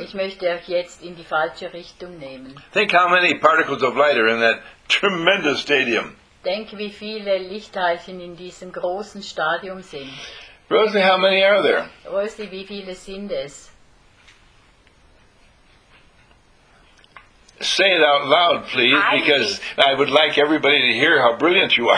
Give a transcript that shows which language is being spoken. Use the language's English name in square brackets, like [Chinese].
[German] Ich möchte euch jetzt in die falsche Richtung nehmen. [English] Think how many particles of light are in that tremendous stadium. [German] Denk, wie viele Lichtteilchen in diesem großen Stadium sind. [English] Rosie, how many are there? [German] Rosie, wie viele sind es? [English] Say it out loud, please, because I would like everybody to hear how brilliant you are.